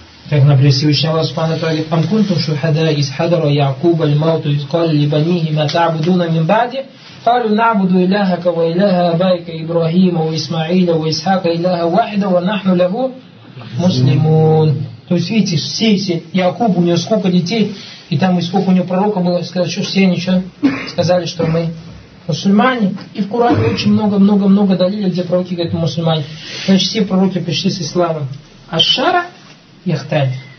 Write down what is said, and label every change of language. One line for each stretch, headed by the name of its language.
Russian: Как, например, Всевышний Аллах Субхану Тааля,
Arabic: «Ам кунтум шухада из хадара Якуба льмауту изкали либанихи ма таабудуна мин бади». قالوا نعبد إلهك وإله أبائك إبراهيم وإسماعيل وإسحاق إله واحد ونحن له مسلمون.
Russian: То есть видите, все эти Якуб, у него сколько детей, и там и сколько у него пророка было, сказали, что все они что? Сказали, что мы мусульмане. И в Коране очень много-много-много далили, где пророки говорят, мусульмане. Значит, все пророки пришли с исламом. А шара яхтали.